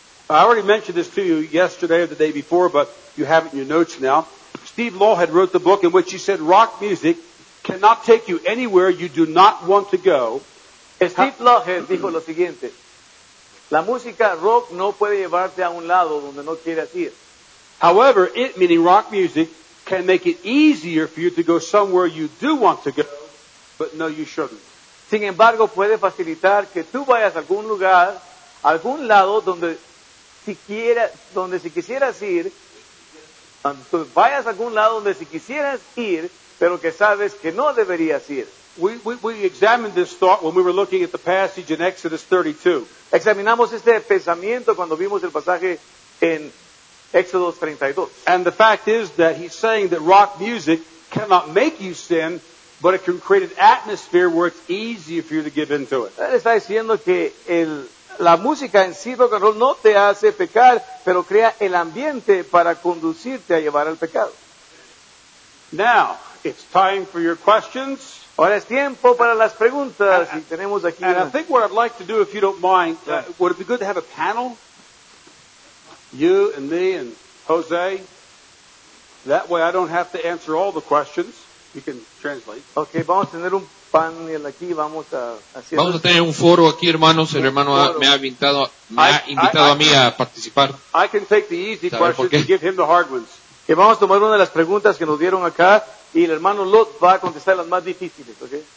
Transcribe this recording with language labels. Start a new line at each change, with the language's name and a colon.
English: I already mentioned this to you yesterday or the day before, but you have it in your notes now. Steve Law had wrote the book in which he said rock music cannot take you anywhere you do not want to go.
Spanish: Steve Lohead dijo lo siguiente: la música rock no puede llevarte a un lado donde no quieras ir.
English: However, it, meaning rock music, can make it easier for you to go somewhere you do want to go, but no, you shouldn't.
Spanish: Sin embargo, puede facilitar que tú vayas a algún lugar, algún lado donde si quieras, donde si quisieras ir, vayas a algún lado donde si quisieras ir, pero que sabes que no deberías ir.
English: We examined this thought when we were looking at the passage in Exodus 32.
Spanish: Examinamos este pensamiento cuando vimos el pasaje en Exodus 32.
English: And the fact is that he's saying that rock music cannot make you sin, but it can create an atmosphere where it's easy for you to give into it.
Spanish: Él está diciendo que la música en sí, rock and roll, no te hace pecar, pero crea el ambiente para conducirte a llevar al pecado.
English: Now, it's time for your questions.
Spanish: Ahora es tiempo para las preguntas y tenemos aquí.
English: And I think what I'd like to do, if you don't mind, would it be good to have a panel? You and me and Jose. That way I don't have to answer all the questions. You can translate.
Spanish: Okay, vamos a tener un panel aquí. Vamos a hacer. Vamos a tener un foro aquí, hermanos. El hermano me ha invitado a participar.
English: I can take the easy questions and give him the hard ones.
Spanish: Que vamos a tomar una de las preguntas que nos dieron acá. Y el hermano Lot va a contestar las más difíciles, ¿ok?